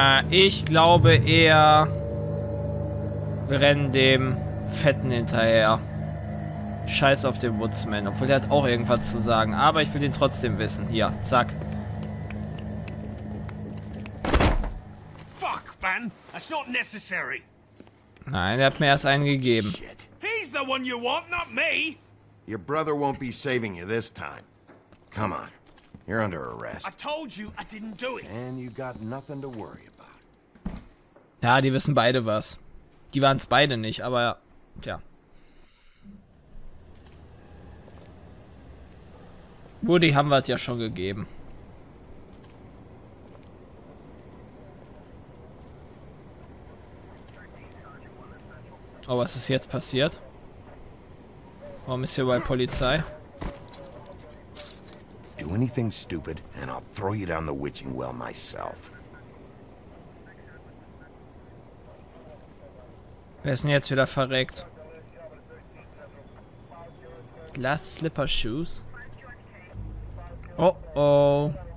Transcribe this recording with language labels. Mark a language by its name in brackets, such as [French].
[German] Ich glaube eher, wir rennen dem Fetten hinterher. Scheiß auf den Woodsman, obwohl der hat auch irgendwas zu sagen. Aber ich will den trotzdem wissen. Hier, zack. [English] Fuck, man. That's not necessary. [German] Nein, er hat mir erst einen gegeben. [English] Shit. He's the one you want, not me. Your brother won't be saving you this time. Come on. You're under arrest. I told you I didn't do it. And you got nothing to worry about. [German] Ja, die wissen beide was. Die waren es beide nicht, aber ja. Woody haben wir es ja schon gegeben. Oh, was ist jetzt passiert? Warum ist hier bei Polizei? [English] Do anything stupid and I'll throw you down the witching well myself. [German] Wer ist denn jetzt wieder verreckt? [English] Glass Slipper Shoes? Oh oh.